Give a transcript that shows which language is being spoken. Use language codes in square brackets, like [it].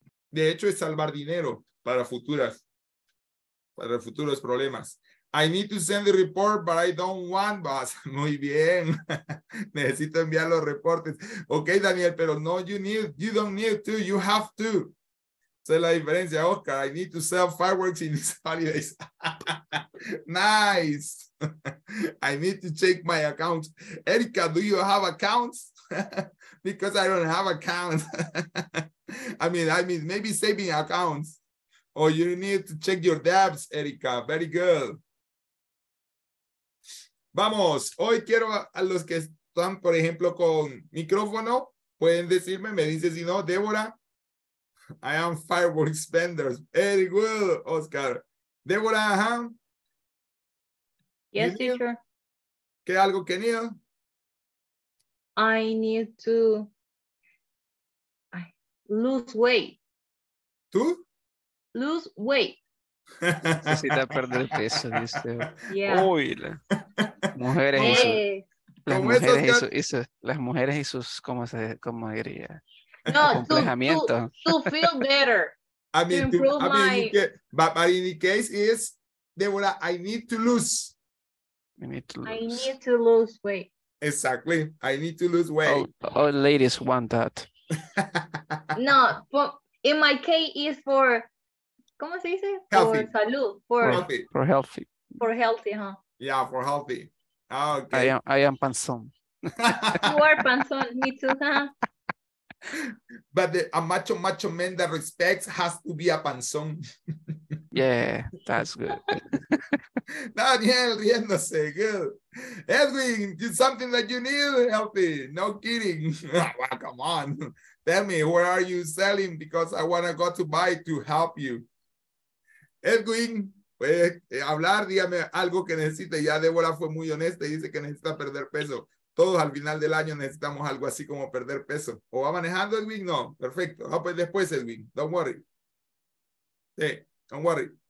[es] De hecho, es salvar dinero para futuros problemas. [en] I need to send the report, but I don't want boss. [es] Muy bien. Necesito enviar los reportes. [en] Ok, Daniel, [es] pero no, [en] you don't need to, you have to. [es] Esa es la diferencia, [en] Oscar. I need to sell fireworks in these holidays. Nice. I need to check my accounts. Erica, do you have accounts? Because I don't have accounts. I mean, maybe saving accounts. Or you need to check your debts, Erica. Very good. [es] Vamos. Hoy quiero a los que están, por ejemplo, con micrófono, pueden decirme, me dice si no, Débora. [en] I am fireworks spenders. Very good, Oscar. Débora, ajá. Yes, teacher. [es] ¿Qué algo que need? [en] I need to lose weight. [es] ¿Tú? [en] Lose weight. [es] Necesita perder peso, dice. Yeah. Uy, la... mujeres. Hey. Las mujeres y sus, las mujeres y sus, ¿cómo diría? No, complejamiento. [en] To feel better. I mean, but in the case is, Débora, I need to lose. I need to lose weight. Exactly. I need to lose weight. All ladies want that. No, but in my case is for, ¿cómo se dice? Healthy. For salud. For healthy. For healthy. For healthy, huh? Yeah, for healthy. Okay. I am panzón. You are panzón, me too, huh? But a macho man that respects has to be a panzón. Yeah, that's good. Daniel, riéndose, good. Edwin, it's something that you need, healthy. No kidding. Well, come on. Tell me, where are you selling? Because I want to go to buy to help you. [es] Edwin. Hablar, dígame algo que necesite. Ya Débora fue muy honesta y dice que necesita perder peso. Todos al final del año necesitamos algo así como perder peso. ¿O va manejando, Edwin? No, perfecto. No, pues después, Edwin, [en] don't worry. [es] Sí, [en] don't worry.